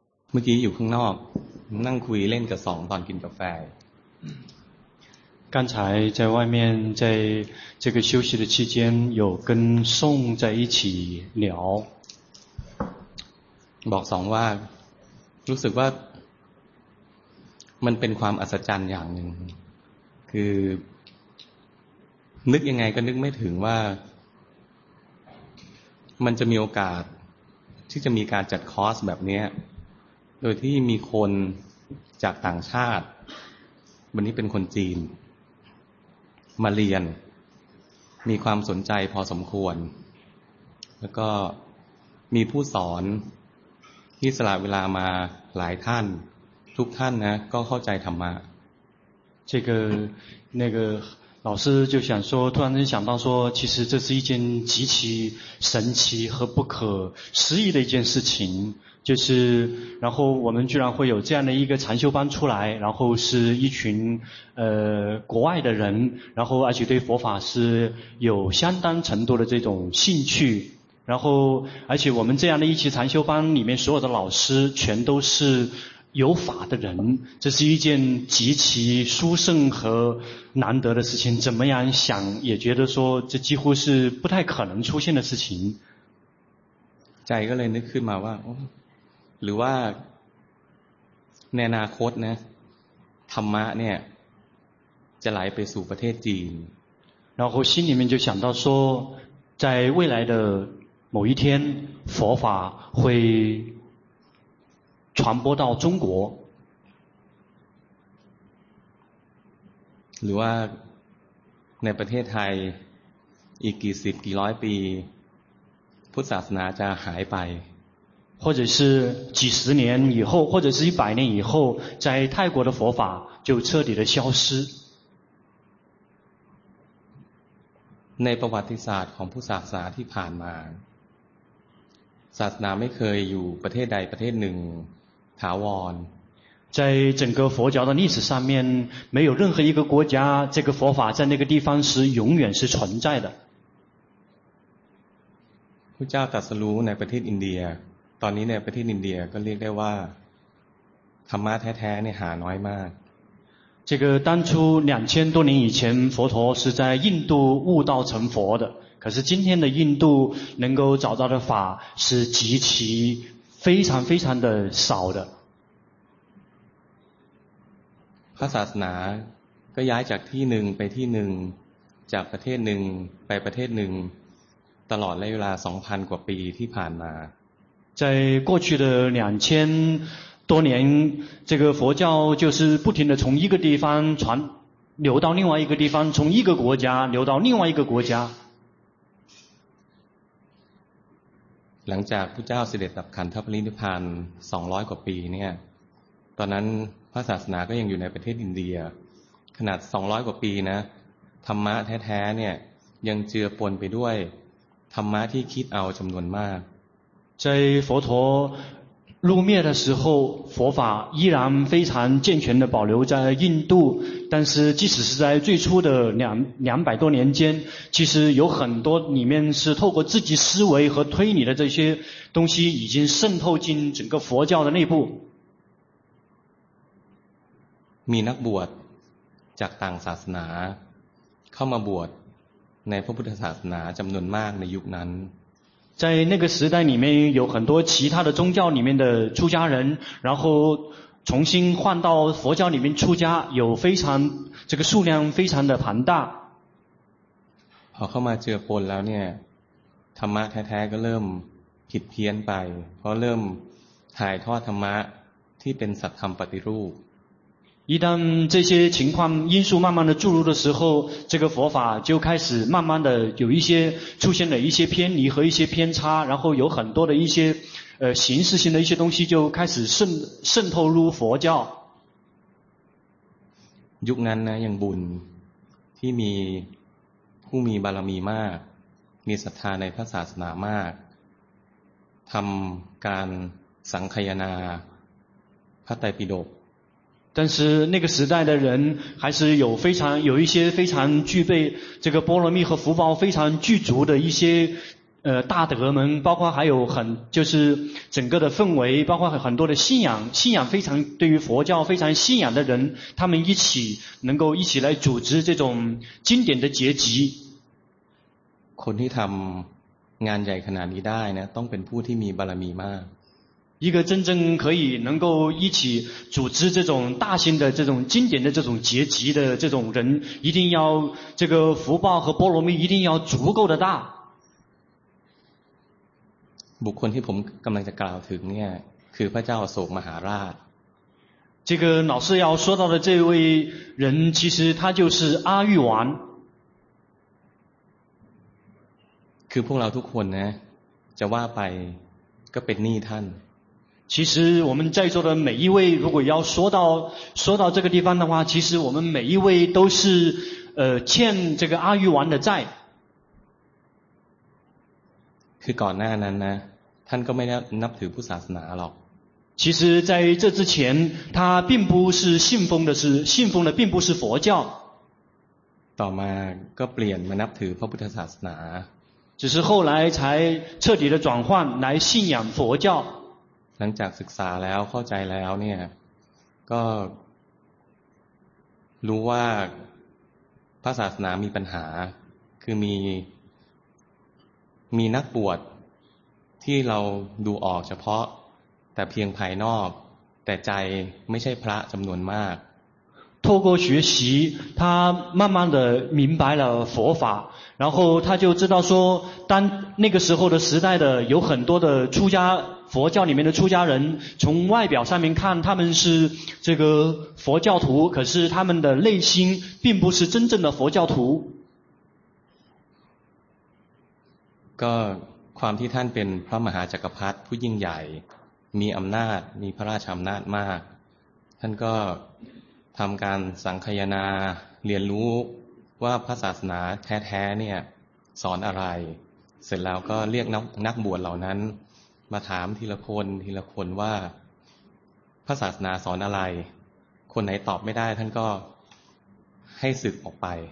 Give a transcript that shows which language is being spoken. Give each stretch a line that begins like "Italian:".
Thai: เมื่อกี้อยู่ข้างนอกนั่งคุยเล่นกับสองตอนกินกาแฟ
Chinese: 刚才在外面在这个休息的期间有跟宋在一起聊
Thai: บอกสองว่ารู้สึกว่ามันเป็นความอัศจรรย์อย่างหนึ่งคือนึกยังไงก็นึกไม่ถึงว่า มันจะมีโอกาสที่จะมีการจัดคอร์สแบบนี้โดยที่มีคนจากต่างชาติวันนี้เป็นคนจีนมาเรียนมีความสนใจพอสมควรแล้วก็มีผู้สอนที่สละเวลามาหลายท่านทุกท่านนะก็เข้าใจธรรมะ
Chinese: 这个那个老师就想说突然间想到说其实这是一件极其神奇和不可思议的一件事情就是然后我们居然会有这样的一个禅修班出来然后是一群国外的人然后而且对佛法是有相当程度的这种兴趣然后而且我们这样的一期禅修班里面所有的老师全都是有法的人这是一件极其殊胜和难得的事情怎么样想也觉得说这几乎是不太可能出现的事情再一个人去买吧
Thai: หรือว่าในอนาคตนะธรรมะเนี่ยจะไหลไปสู่ประเทศจีน
Chinese: 然后心里面就想到说在未来的某一天佛法会传播到中国
Thai: หรือว่าในประเทศไทยอีกกี่สิบกี่ร้อยปีพุทธศาสนาจะหายไป
Chinese: 或者是几十年以后或者是一百年以后在泰国的佛法就彻底的消失
Thai: ในประวัติศาสตร์ของพุทธศาสนาที่ผ่านมาศาสนาไม่เคยอยู่ประเทศใดประเทศหนึ่งถาวร
Chinese: 在整个佛教的历史上面没有任何一个国家这个佛法在那个地方是永远是存在的
Thai: พระเจ้าตรัสรู้ในประเทศอินเดียตอนนี้ในประเทศอินเดียก็เรียกได้ว่าธรรมะแท้ๆเนี่ยหาน้อยมาก
Chinese: 这个当初2000多年以前佛陀是在印度悟道成佛的可是今天的印度能够找到的法是极其非常非常的少的
Thai: พระศาสนาก็ย้ายจากที่หนึ่งไปที่หนึ่งจากประเทศหนึ่งไปประเทศหนึ่งตลอดระยะเวลา 2,000 กว่าปีที่ผ่านมา
Chinese: 在过去的2000多年这个佛教就是不停地从一个地方传流到另外一个地方从一个国家流到另外一个国家
Thai: หลังจากพระเจ้าเสด็จดับขันธปรินิพพาน200กว่าปีเนี่ยตอนนั้นพระศาสนาก็ยังอยู่ในประเทศอินเดียขนาด200กว่าปีนะธรรมะแท้ๆเนี่ยยังเจือปนไปด้วยธรรมะที่คิดเอาจำนวนมาก
Chinese: 在佛陀入灭的时候佛法依然非常健全地保留在印度但是即使是在最初的两百多年间其实有很多里面是透过自己思维和推理的这些东西已经渗透进整个佛教的内部
Thai: มีนักบวชจากต่างศาสนาเข้ามาบวชในพระพุทธศาสนาจำนวนมากในยุคนั้น
Chinese: 在那个时代里面有很多其他的宗教里面的出家人然后重新换到佛教里面出家有非常这个数量非常的庞大
Thai: พอเข้ามาเจือปนแล้วเนี่ยธรรมะแท้ๆก็เริ่มผิดเพี้ยนไปเพราะเริ่มถ่ายทอดธรรมะที่เป็นสัจธรรมปฏิรูป
Chinese: 一旦这些情况因素慢慢的注入的时候这个佛法就开始慢慢的有一些出现了一些偏离和一些偏差然后有很多的一些形式性的一些东西就开始渗透入佛教
Thai: ยุคนั้นนะยังบุญที่มีผู้มีบารมีมากมีศรัทธาในพระศาสนามากทำการสังคายนาพระไตรปิฎก
Chinese: 但是那个时代的人还是有一些非常具备这个波罗蜜和福报非常具足的一些大德们，包括还有很就是整个的氛围，包括很多的信仰，信仰非常对于佛教非常信仰的人，他们一起能够一起来组织这种经典的结集。
Thai: คนที่ทำงานใหญ่ขนาดนี้ได้นะต้องเป็นผู้ที่มีบารมีมาก
Chinese: 一个真正可以能够一起组织这种大型的这种经典的这种结集的这种人，一定要这个福报和波罗蜜一定要足够的大。
Thai: บุคคลที่ผมกำลังจะกล่าวถึงเนี่ยคือพระเจ้าอโศกมหาราช
Chinese: 这个老师要说到的这位人其实他就是阿育王
Thai: คือพวกเราทุกคนนะจะว่าไปก็เป็นหนี้ท่าน
Chinese: 其实我们在座的每一位如果要说到这个地方的话其实我们每一位都是欠这个阿育王的债
Thai: คือก่อนหน้านั้นนะท่านก็ไม่ได้นับถือพุทธศาสนาหรอก
Chinese: 其实在这之前他并不是信奉的并不是佛教
Thai: ต่อมาก็เปลี่ยนมานับถือพระพุทธศาสนา
Chinese: 只是后来才彻底的转换来信仰佛教
Thai: หลังจากศึกษาแล้วเข้าใจแล้วเนี่ยก็รู้ว่าพระศาสนามีปัญหาคือมีนักบวชที่เราดูออกเฉพาะแต่เพียงภายนอกแต่ใจไม่ใช่พระจำนวนมาก
Chinese: 透过学习他慢慢的明白了佛法然后他就知道说当那个时候的时代的有很多的出家佛教里面的出家人从外表上面看他们是这个佛教徒可是他们的内心并不是真正的佛教徒
Thai: ก็ความที่ท่านเป็นพระมหาจักรพรรดิผู้ยิ่งใหญ่มีอำนาจมีพระราชอำนาจมากท่านก็ทำการสังคยนาเรียนรู้ว่าพระศาสนาแท้ๆเนี่ยสอนอะไรเสร็จแล้วก็เรียกนักบวชเหล่านั้นมาถามทีละคนว่าพระศาสนาสอนอะไรคนไหนตอบไม่ได้ท่านก็ให้สึกออกไป